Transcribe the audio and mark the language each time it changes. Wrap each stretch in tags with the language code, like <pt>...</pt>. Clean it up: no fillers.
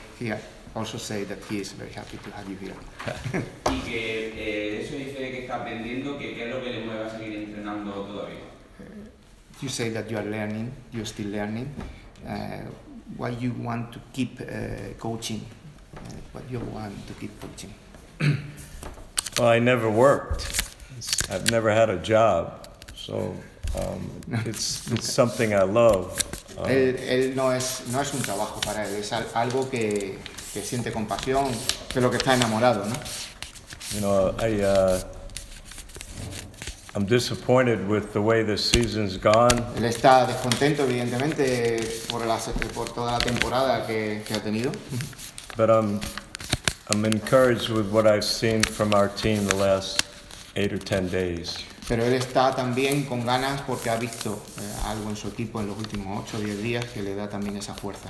<en>Here, also say that he is very happy to have you here.</en> <es>Y que eso dice que está aprendiendo, que qué es lo que le mueve a seguir entrenando todavía.</es> <en>You say that you are learning, you're still learning. Why you want to keep coaching? What you want to keep coaching? Well, I never worked. I've never had a job. So it's something I love.</en> <es>Él no es un trabajo para él, es algo que siente compasión, de lo que está enamorado, ¿no?</es> <en>You know, I'm disappointed with the way this season's gone.</en> <es>Él está descontento, evidentemente, por toda la temporada que ha tenido.</es> <en>But I'm encouraged with what I've seen from our team the last 8 or 10 days.</en> <es>Pero él está también con ganas porque ha visto algo en su equipo en los últimos 8 o 10 días que le da también esa fuerza.</es>